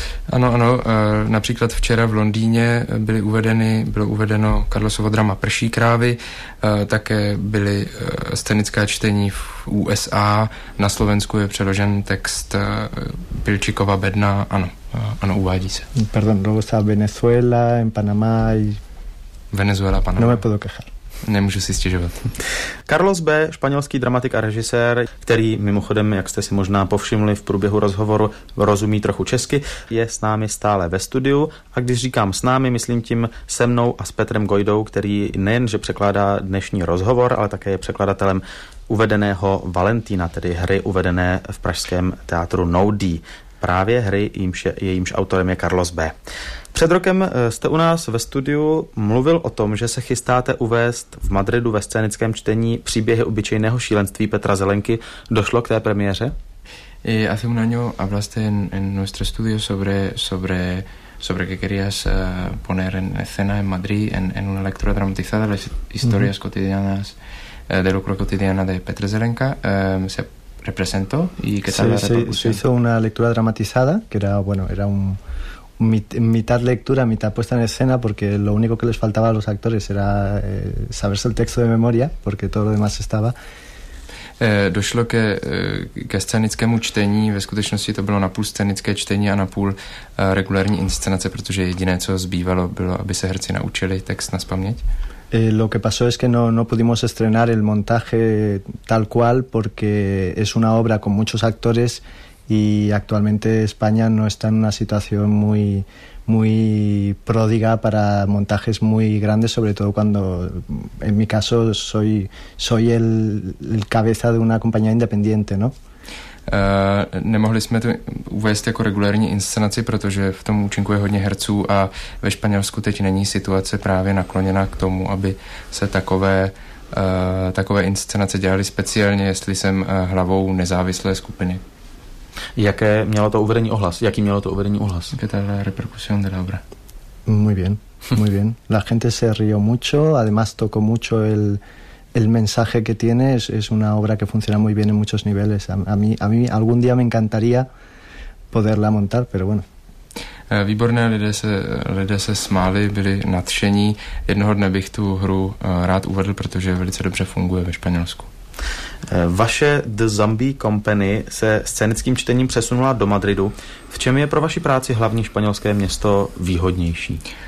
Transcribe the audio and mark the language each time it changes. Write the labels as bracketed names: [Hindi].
[Czech] Ano, například včera v Londýně bylo uvedeno Carlosovo drama Prší krávy, také byly scénická čtení v USA, na Slovensku je přeložen text Pilčíkova bedna, ano, uvádí se. [Spanish] Perdón, luego está Venezuela, en Panamá y... Venezuela, Panamá. No me puedo quejar. [Czech] Nemůžu si stěžovat. Carlos B., španělský dramatik a režisér, který mimochodem, jak jste si možná povšimli v průběhu rozhovoru, rozumí trochu česky, je s námi stále ve studiu. A když říkám s námi, myslím tím se mnou a s Petrem Gojdou, který nejenže překládá dnešní rozhovor, ale také je překladatelem uvedeného Valentína, tedy hry uvedené v pražském teatru No D. Právě hry, jejímž autorem je Carlos B. Před rokem jste u nás ve studiu mluvil o tom, že se chystáte uvést v Madridu ve scénickém čtení Příběhy obyčejného šílenství Petra Zelenky. Došlo k té premiéře? [Spanish] Hace un año hablaste en nuestro estudio sobre que querías poner en escena en Madrid en una lectura dramatizada las historias cotidianas de lucro cotidiana de Petra Zelenka. Se representó y qué tal la repercusión. Se hizo una lectura dramatizada que era, bueno, era un mitad lectura, mitad puesta en escena, porque lo único que les faltaba a los actores era saberse el texto de memoria, porque todo lo demás estaba. [Czech] Došlo ke scénickému čtení, ve skutečnosti to bylo napůl scénické čtení a napůl regulární inscenace, protože jediné, co zbývalo, bylo, aby se herci naučili text na spaměť. [Spanish] Lo que pasó es que no pudimos estrenar el montaje tal cual, porque es una obra con muchos actores y actualmente España no está en una situación muy, muy pródiga para montajes muy grandes, sobre todo cuando, en mi caso, soy el cabeza de una compañía independiente, ¿no? [Czech] Nemohli jsme to uvést jako regulární inscenaci, protože v tom účinku je hodně herců a ve Španělsku teď není situace právě nakloněna k tomu, aby se takové inscenace dělaly speciálně, jestli jsem hlavou nezávislé skupiny. Jaké mělo to uvedení ohlas? [Spanish] Que tal la repercusión de la obra? Muy bien. Muy bien. La gente se rió mucho, además tocó mucho el mensaje que tiene. Es una obra que funciona muy bien en muchos niveles. A mí algún día me encantaría poderla montar, pero bueno. [Czech] Výborné, lidé se smáli, byli nadšení. Jednoho dne bych tu hru rád uvedl, protože velice dobře funguje ve Španělsku. Vaše The Zombie Company se scénickým čtením přesunula do Madridu. V čem je pro vaši práci hlavní španělské město výhodnější?